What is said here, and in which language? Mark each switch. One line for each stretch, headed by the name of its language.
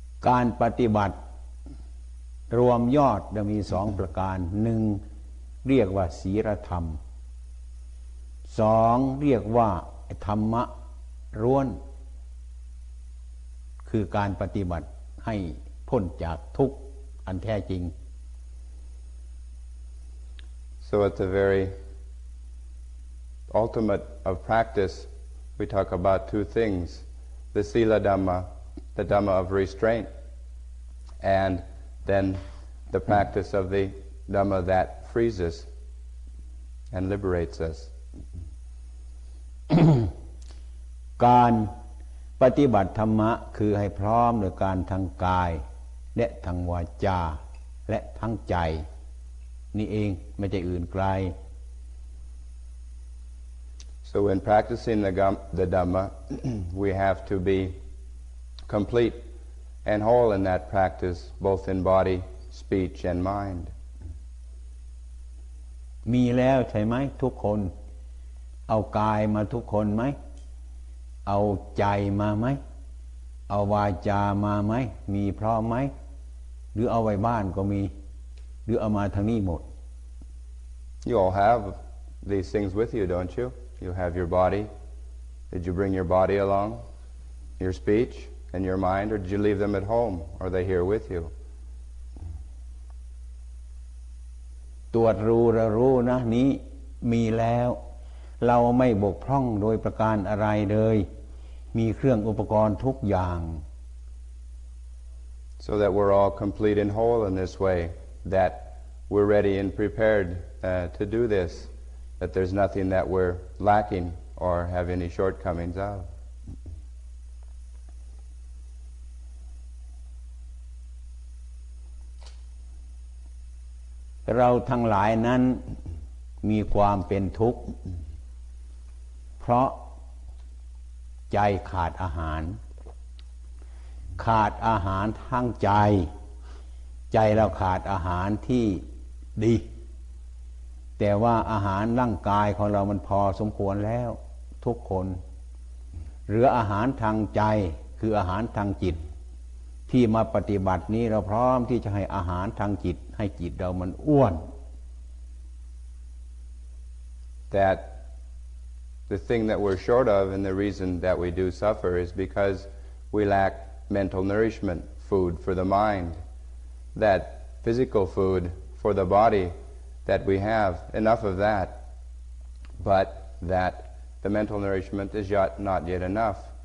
Thai: การปฏิบัติรวมยอดจะมี2ประการ1เรียกว่าศีลธรรม2เรียกว่าธรรมะร้วนคือการปฏิบัติให้พ้นจากทุกข์อันแท้จริง
English: So at the very ultimate of practice We talk about two things, the Sila Dhamma, the Dhamma of restraint, and then the practice of the Dhamma that frees us and liberates us.
Thai: การปฏิบัติธรรมะคือให้พร้อมด้วยการทางกายและทางวาจาและทั้งใจนี่เองไม่ใช่อื่นไกล
English: So when practicing the Dhamma we have to be complete and whole in that practice both in body speech and mind
Thai: มีแล้วใช่ไหมทุกคนเอากายมาทุกคนไหมเอาใจมาไหมเอาวาจามาไหมมีพร้อมไหมหรือเอาไว้บ้านก็มีหรือเอามาทางนี้หมด
English: You all have these things with you, don't you? You have your body. Did you bring your body along? Your speech and your mind, or did you leave them at home? Are they here with you?
Thai: ตรวจรู้ระรู้นะนี้มีแล้วเราไม่บกพร่องโดยประการอะไรเลยมีเครื่องอุปกรณ์ทุกอย่าง
English: So that we're all complete and whole in this way that we're ready and prepared to do this that there's nothing that we're lacking or have any shortcomings of
Thai: เราทั้งหลายนั้นมีความเป็นทุกข์เพราะใจขาดอาหารขาดอาหารทั้งใจใจเราขาดอาหารที่ดี แต่ว่าอาหารร่างกายของเรามันพอสมควรแล้วทุกคนเหลืออาหารทางใจคืออาหารทางจิตที่มาปฏิบัตินี้เราพร้อมที่จะให้อาหารทางจิตให้จิตเรามันอ้วน
English: thatThe thing that we're short of and the reason that we do suffer is because we lack mental nourishment, food for the mind, that physical food for the body that we have, enough of that, but that the mental nourishment is yet not yet enough.